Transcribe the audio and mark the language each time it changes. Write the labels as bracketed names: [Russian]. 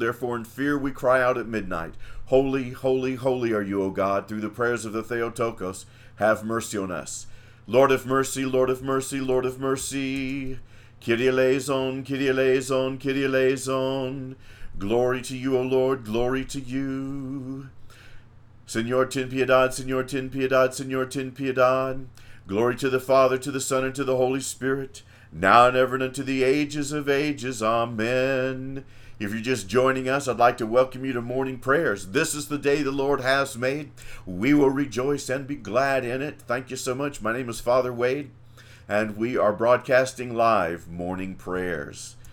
[English] Therefore in fear we cry out at midnight, Holy, holy, holy are you, O God, through the prayers of the Theotokos, have mercy on us. Lord of mercy, Lord of mercy, Lord of mercy. [Greek] Kyrie eleison, Kyrie eleison, Kyrie eleison. [English] Glory to you, O Lord, glory to you. [Spanish] Señor, ten piedad, Señor, ten piedad, Señor, ten piedad. [English] Glory to the Father, to the Son, and to the Holy Spirit, now and ever and unto the ages of ages. Amen. If you're just joining us, I'd like to welcome you to morning prayers. This is the day the Lord has made. We will rejoice and be glad in it. Thank you so much. My name is Father Wade, and we are broadcasting live morning prayers.